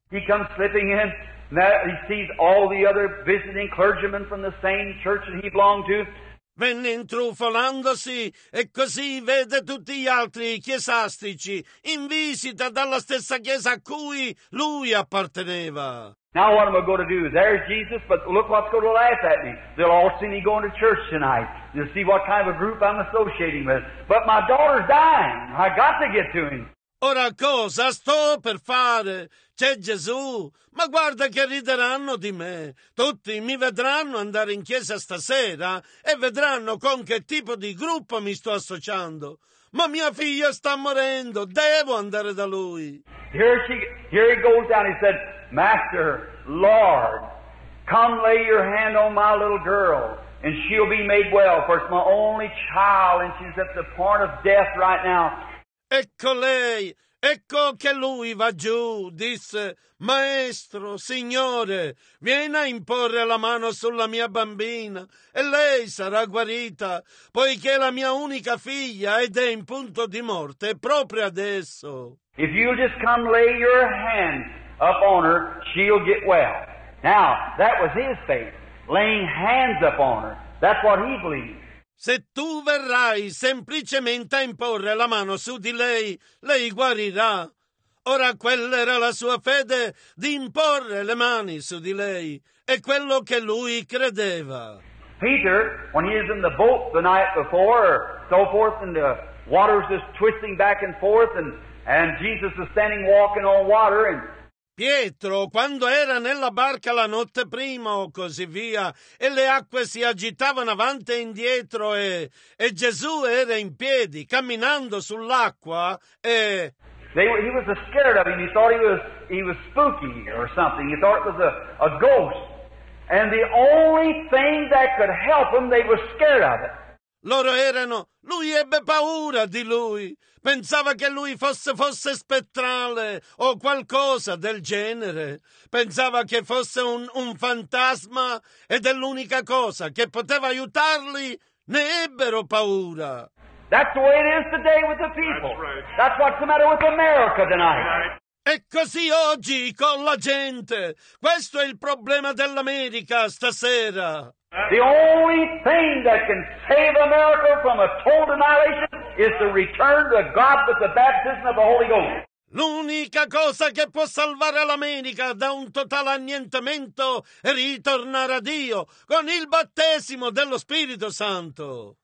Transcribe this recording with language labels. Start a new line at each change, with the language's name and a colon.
English: He comes slipping in, he sees all the other visiting clergymen from the same church that he belonged to.
Italian: Venne intrufolandosi e così vede tutti gli altri chiesastici in visita dalla stessa chiesa a cui lui apparteneva.
English: Now what am I going to do? There's Jesus, but look what's going to laugh at me. They'll all see me going to church tonight. They'll see what kind of a group I'm associating with. But my daughter's dying. I got to get to him.
Italian: Ora cosa sto per fare? C'è Gesù, ma guarda che rideranno di me. Tutti mi vedranno andare in chiesa stasera e vedranno con che tipo di gruppo mi sto associando. Ma mia figlia sta morendo, devo andare da lui.
English: Here he goes down, he said, Master, Lord, come lay your hand on my little girl and she'll be made well, for it's my only child and she's at the point of death right now.
Italian: Ecco lei, ecco che lui va giù, disse, Maestro, Signore, vieni a imporre la mano sulla mia bambina e lei sarà guarita, poiché la mia unica figlia ed è in punto di morte proprio adesso.
English: If you just come lay your hand up on her, she'll get well. Now, that was his faith, laying hands up on her. That's what he believed.
Italian: Se tu verrai semplicemente a imporre la mano su di lei, lei guarirà. Ora quella era la sua fede di imporre le mani su di lei. È quello che lui credeva.
English: Peter, when he is in the boat the night before, or so forth, and the water's just twisting back and forth, and Jesus is standing walking on water, and
Italian: Pietro, quando era nella barca la notte prima o così via, e le acque si agitavano avanti e indietro, e Gesù era in piedi, camminando sull'acqua, e
English: he was scared of him. He thought he was spooky or something. He thought it was a ghost. And the only thing that could help him, they were scared of it.
Italian: Loro erano, lui ebbe paura di lui, pensava che lui fosse spettrale o qualcosa del genere, pensava che fosse un fantasma ed è l'unica cosa che poteva aiutarli, ne ebbero paura.
English: That's the way it is today with the people. That's what's the matter with America tonight.
Italian: E così oggi con la gente, questo è il problema dell'America stasera.
English: The only thing that can save America from a total annihilation is to return to God with the baptism of the Holy Ghost.
Italian: L'unica cosa che può salvare l'America da un totale annientamento è ritornare a Dio con il battesimo dello Spirito Santo.